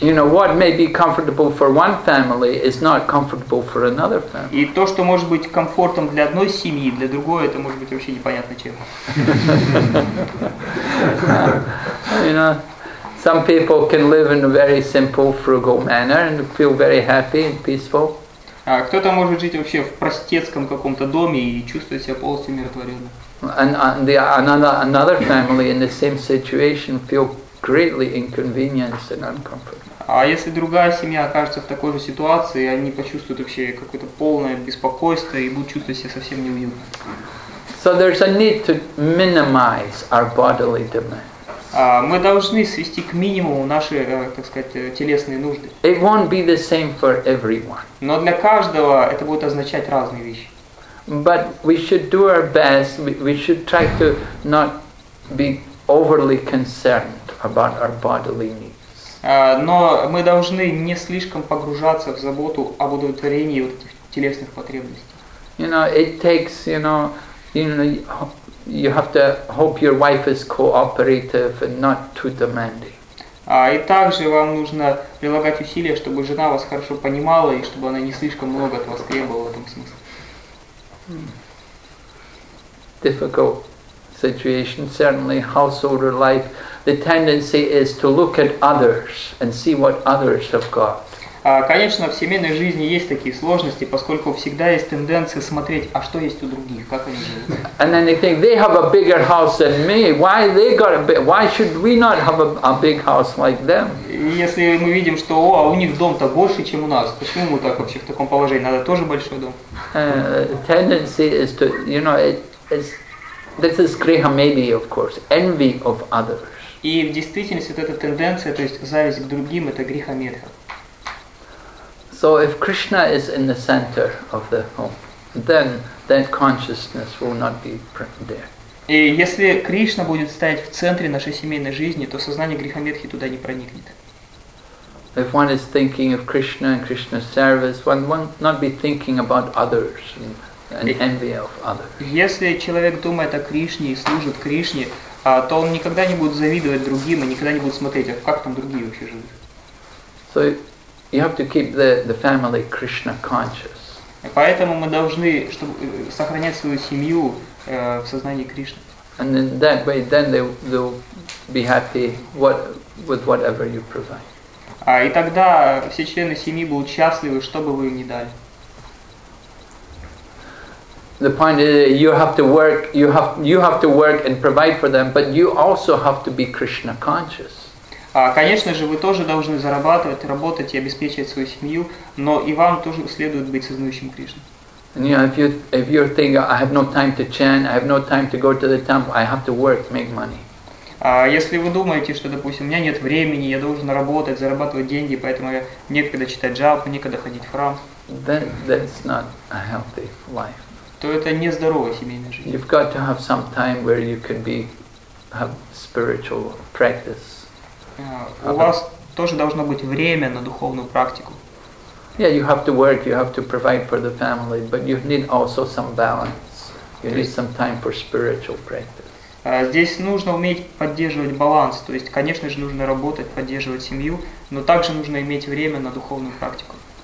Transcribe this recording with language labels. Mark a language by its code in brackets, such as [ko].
[en] You know, what may be comfortable for one family is not comfortable for another family. [ru] И то, что может быть комфортом для одной семьи, для другой – это может быть вообще непонятно чем. [en] You know, some people can live in a very simple, frugal manner and feel very happy and peaceful. [ru] А кто-то может жить вообще в простецком каком-то доме и чувствовать себя полностью умиротворенным. [en] Another family in the same situation feel greatly inconvenienced and uncomfortable. [ru] А если другая семья окажется в такой же ситуации, они почувствуют вообще какое-то полное беспокойство и будут чувствовать себя совсем неуютно. [en] So there's a need to minimize our bodily demands. [ru] Мы должны свести к минимуму наши, так сказать, телесные нужды. [en] It won't be the same for everyone. [ru] Но для каждого это будет означать разные вещи. [en] But we should do our best, we should try to not be overly concerned about our bodily needs. [ru] Но мы должны не слишком погружаться в заботу об удовлетворении вот этих телесных потребностей. [en] You know, it takes, you have to hope your wife is cooperative and not too demanding. [ru] И также вам нужно прилагать усилия, чтобы жена вас хорошо понимала и чтобы она не слишком много от вас требовала в этом смысле. [en] Difficult situation, certainly householder life. The tendency is to look at others and see what others have got. [ru] Конечно, в семейной жизни есть такие сложности, поскольку всегда есть тенденция смотреть, а что есть у других, как они живут. [en] And then they think they have a bigger house than me. Why they got a big? Why should we not have a big house like them? [ru] Если мы видим, что а у них дом-то больше, чем у нас, почему мы так вообще в таком положении? Надо тоже большой дом. [en] Tendency is to, you know, this is griha maybe, of course, envy of others. [ru] И в действительности вот эта тенденция, то есть зависть к другим, это гриха медха. [en] So if Krishna is in the center of the home, then consciousness will not be there. [ru] И если Кришна будет стоять в центре нашей семейной жизни, то сознание грехометхи туда не проникнет. [en] If one is thinking of Krishna and Krishna's service, one won't not be thinking about others and envy of others. [ru] Если человек думает о Кришне и служит Кришне, то он никогда не будет завидовать другим и никогда не будет смотреть, а как там другие вообще живут. [en] So you have to keep the family Krishna conscious. [ru] Поэтому мы должны, чтобы сохранять свою семью в сознании Кришны. [en] And in that way, then they'll be happy with whatever you provide. [ru] И тогда все члены семьи будут счастливы, что бы вы им ни дали. [en] The point is, you have to work and provide for them, but you also have to be Krishna conscious. [ru] Конечно же, вы тоже должны зарабатывать, работать и обеспечивать свою семью, но и вам тоже следует быть сознающим Кришну. Если вы думаете, что, допустим, у меня нет времени, я должен работать, зарабатывать деньги, поэтому я некогда читать джапу, некогда ходить в храм, [en] that's not a healthy life. [ru] То это не здоровая семейная жизнь. [en] You've got to have some time where you can be have spiritual practice. [ru] У вас тоже должно быть время на духовную практику. [en] Yeah, you have to work, you have to provide for the family, but you need also some balance. You need some time for spiritual practice. [ru] Здесь нужно уметь поддерживать баланс. То есть, конечно же, нужно работать, поддерживать семью, но также нужно иметь время на духовную практику.